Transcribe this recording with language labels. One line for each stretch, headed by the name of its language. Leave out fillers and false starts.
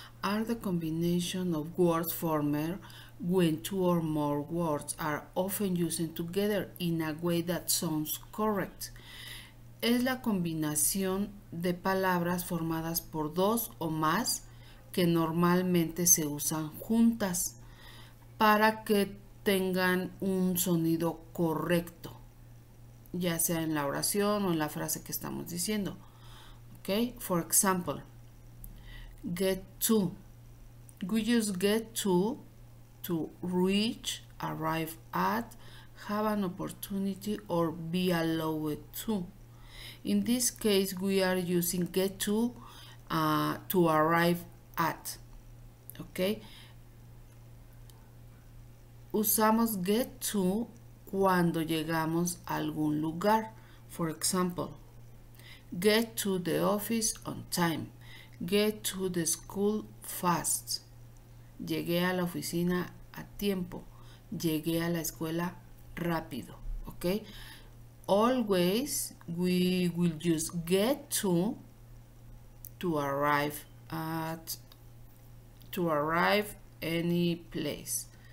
English: Are the combination of word former when two or more words are often used together in a way that sounds correct.
Spanish: Es la combinación de palabras formadas por dos o más que normalmente se usan juntas para que tengan un sonido correcto, ya sea en la oración o en la frase que estamos diciendo.
English: Okay, for example, get to. We use get to reach, arrive at, have an opportunity, or be allowed to. In this case, we are using get to arrive at. Okay.
Spanish: Usamos get to cuando llegamos a algún lugar.
English: For example, get to the office on time. Get to the school fast.
Spanish: Llegué a la oficina a tiempo. Llegué a la escuela rápido.
English: Okay? Always we will use get to arrive at, to arrive any place.